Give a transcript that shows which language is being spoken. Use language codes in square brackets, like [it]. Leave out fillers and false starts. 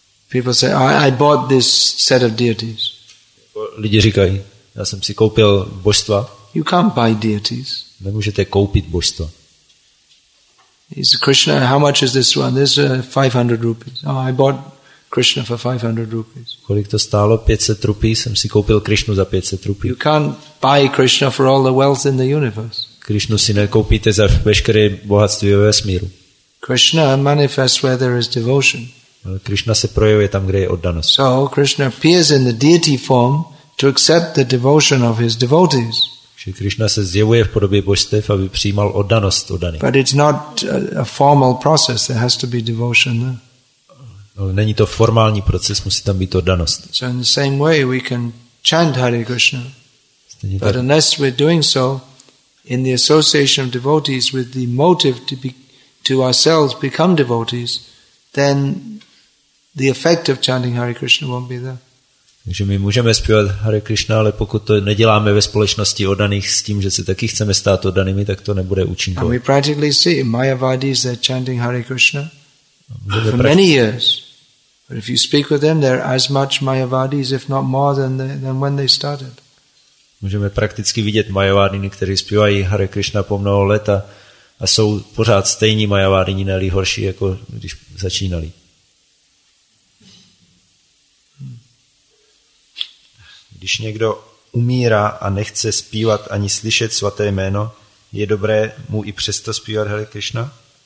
[en] People say, I bought this set of deities. [cs] Lidi říkají, já jsem si koupil božstva. [en] You can't buy deities. [cs] Nemůžete koupit božstva. [en] Is Krishna, how much is this one? This is 500 rupees. Oh, I bought Krishna for 500 rupees. [cs] Kolik to stálo? 500 rupí, jsem si koupil Krishnu za 500 rupí. [en] You can't buy Krishna for all the wealth in the universe. [cs] Krishnu si nekoupíte za veškeré bohatství ve vesmíru. [en] Krishna manifests where there is devotion. [cs] Krishna se projevuje tam, kde je oddanost. [en] So Krishna appears in the deity form to accept the devotion of his devotees. [cs] Že Krishna se zjevuje v podobě božstev, aby přijímal oddanost oddaných. [en] But it's not a formal process. There has to be devotion there. [cs] No, není to formální proces, musí tam být oddanost. [en] So in the same way we can chant Hare Krishna. But unless we're doing so in the association of devotees with the motive to ourselves become devotees, then the effect of chanting Hare Krishna won't be there. [cs] Takže my můžeme zpívat Hare Krishna, ale pokud to neděláme ve společnosti oddaných s tím, že se taky chceme stát oddanými, tak to nebude účinkové. [en] And we practically see Mayavadis, they're chanting Hare Krishna for many years. But if you speak with them, they're as much Mayavadis, if not more than when they started. [cs] Můžeme prakticky vidět Mayavadiny, kteří zpívají Hare Krishna po mnoho let a jsou pořád stejní Mayavadiny, ne-li horší, jako když začínali. Když někdo umírá a nechce zpívat ani slyšet svaté jméno, je dobré mu i přesto zpívat Hare Krishna?